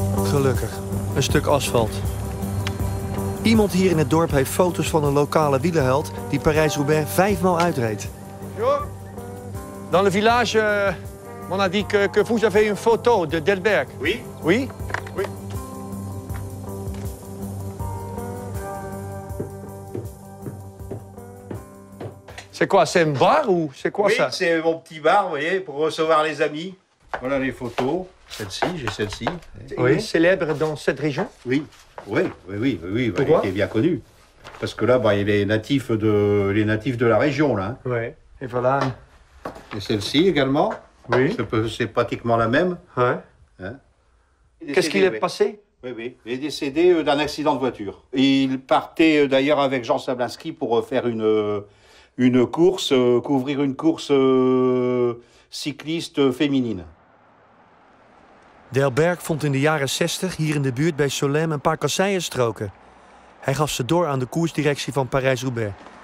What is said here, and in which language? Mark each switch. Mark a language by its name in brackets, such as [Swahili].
[Dutch] Gelukkig, een stuk asfalt. Iemand hier in het dorp heeft foto's van een lokale wielerheld die Parijs-Roubaix 5 maal uitreed. Jo. [French] Dans le village, on a dit que vous avez une photo de Delberg. Oui. Oui. Oui. C'est quoi, c'est un bar ou c'est quoi oui, ça? Oui, c'est mon petit bar, vous voyez, pour recevoir les amis. Voilà les photos. Celle-ci, j'ai celle-ci. Oui, célèbre dans cette région? Oui. Oui, oui, oui, oui. Pourquoi? Il est bien connu. Parce que là, bah, il y a les natifs de la région, là. Oui, et voilà. Et celle-ci également? Oui. C'est pratiquement la même. Ouais. Hein? Qu'est-ce qu'il est passé? Oui, oui. Il est décédé d'un accident de voiture. Il partait d'ailleurs avec Jean Sablinski pour faire une course, couvrir une course cycliste féminine. [Dutch] Delberg vond in de jaren 60 hier in de buurt bij Solem een paar kasseienstroken. Hij gaf ze door aan de koersdirectie van Parijs-Roubaix.